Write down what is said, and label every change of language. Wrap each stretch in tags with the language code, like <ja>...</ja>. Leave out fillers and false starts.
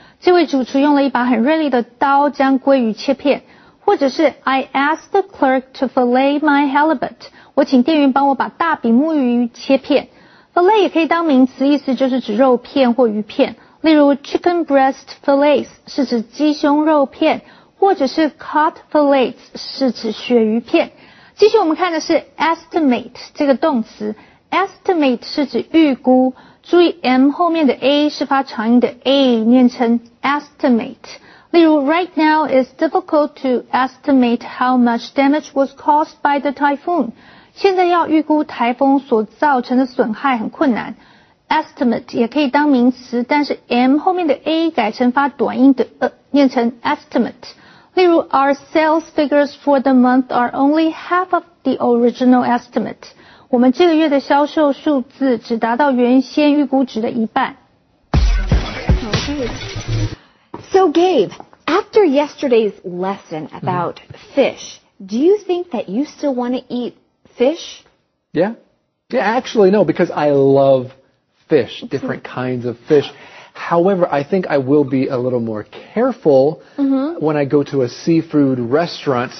<zh>这位主厨用了一把很锐利的刀将鲑鱼切片。或者是</zh> <en>I asked the clerk to fillet my halibut.</en> <zh>我请店员帮我把大比目鱼切片。 Fillet 也可以当名词，意思就是指肉片或鱼片。例如</zh> <en>chicken breast fillets</en> <zh>是指鸡胸肉片，或者是</zh> <en>cod fillets</en> <zh>是指鳕鱼片。继续我们看的是 estimate 这个动词。Estimate 是指预估，注意 M 后面的 A 是发长音的 A， 念成 estimate。例如</zh> <en>，Right now it's difficult to estimate how much damage was caused by the typhoon。</en> <zh>现在要预估台风所造成的损害很困难。 Estimate 也可以当名词，但是 M 后面的 A 改成发短音的 念成 estimate。例如</zh> <en>，Our sales figures for the month are only half of the original estimate。</en> <zh>我们这个月的销售数字只达到原先预估值的一半。</zh> <en>So Gabe, after yesterday's lesson about fish, do you think that you still want to eat fish? Yeah, actually no, because I love fish, different kinds of fish. However, I think I will be a little more careful when I go to a seafood restaurant.</en>